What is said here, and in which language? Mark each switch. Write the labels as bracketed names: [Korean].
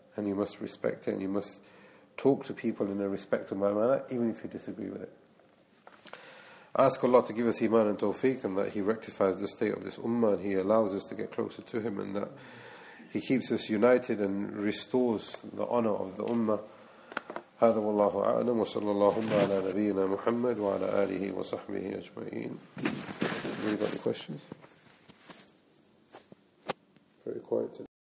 [English] And you must respect it, and you must talk to people in a respectable manner, even if you disagree with it. I ask Allah to give us iman and tawfiq, and that He rectifies the state of this ummah, and He allows us to get closer to Him, and that He keeps us united and restores the honor of the ummah. [Arabic] هذا والله أعلم وصلى الله على نبينا محمد وعلى آله وصحبه أجمعين. [English] Anybody got any questions? Very quiet today.